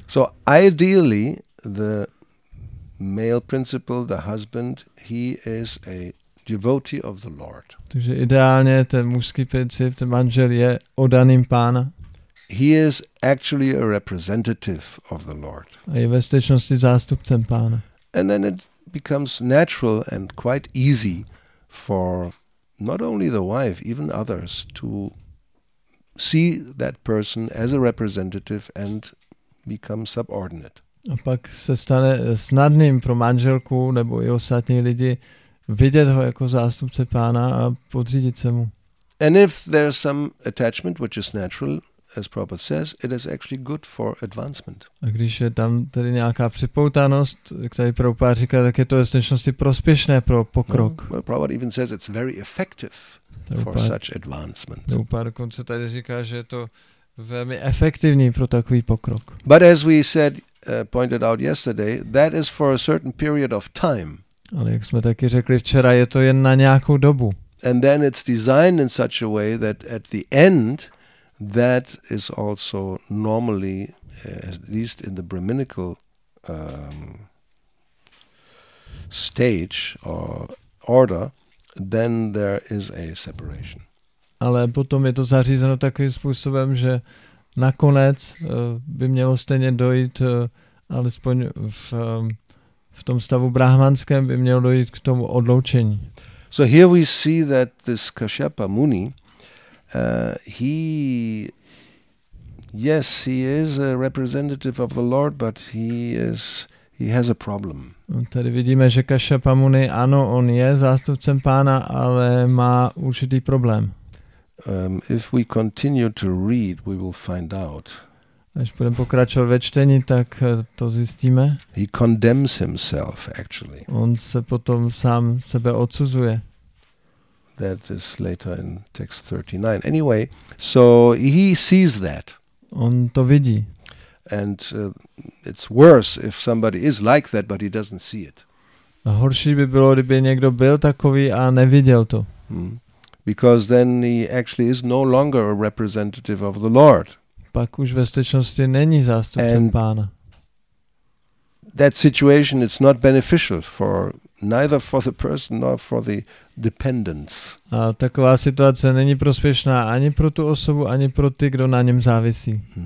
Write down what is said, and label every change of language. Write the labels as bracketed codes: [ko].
[en] So ideally the male principle, the husband, he is a devotee of the Lord. [cs] Takže ideálně ten mužský princip, ten manžel je oddaným Pána. [en] He is actually a representative of the Lord. [cs] A je ve skutečnosti zástupcem Pána. [en] And then it becomes natural and quite easy for not only the wife, even others to see that person as a representative and become subordinate. [cs] A pak se stane snadným pro manželku nebo i ostatní lidi vidět ho jako zástupce Pána a podřídit se mu. [en] And if there's some attachment which is natural, as Prabhupada says, it is actually good for advancement. [cs] A když je tam tedy nějaká připoutanost, která Prabhupada říká, tak je to ve skutečnosti prospěšné pro pokrok. [en] No, well, Prabhupada even says it's very effective for such advancement. [cs] Prabhupada dokonce tady říká, že je to velmi efektivní pro takový pokrok. [en] But as we said, pointed out yesterday, that is for a certain period of time. [cs] Ale jak jsme taky řekli včera, je to jen na nějakou dobu. [en] And then it's designed in such a way that at the end, that is also normally, at least in the Brahminical stage or order, then there is a separation. [cs] Ale potom je to zařízeno takovým způsobem, že nakonec by mělo stejně dojít, alespoň v tom stavu brahmanském by mělo dojít k tomu odloučení. [en] So here we see that this Kashyapa Muni, he is a representative of the Lord, but he has a problem. [cs] Tady vidíme, že Kashyapa Muni, ano, on je zástupcem Pána, ale má určitý problém. [en] If we continue to read, we will find out. [cs] Až budeme pokračovat ve čtení, tak to zjistíme. [en] He condemns himself, actually. [cs] On se potom sám sebe odsuzuje. [en] That is later in text 39. Anyway, so he sees that. [cs] On to vidí. [en] And it's worse if somebody is like that, but he doesn't see it. [cs] A horší by bylo, kdyby někdo byl takový a neviděl to. [en] Because then he actually is no longer a representative of the Lord. [cs] Pak už ve skutečnosti není zástupcem [en] and [cs] Pána. [en] That situation is not beneficial for neither for the person nor for the dependents. [cs] A taková situace není prospěšná ani pro tu osobu, ani pro ty, kdo na něm závisí.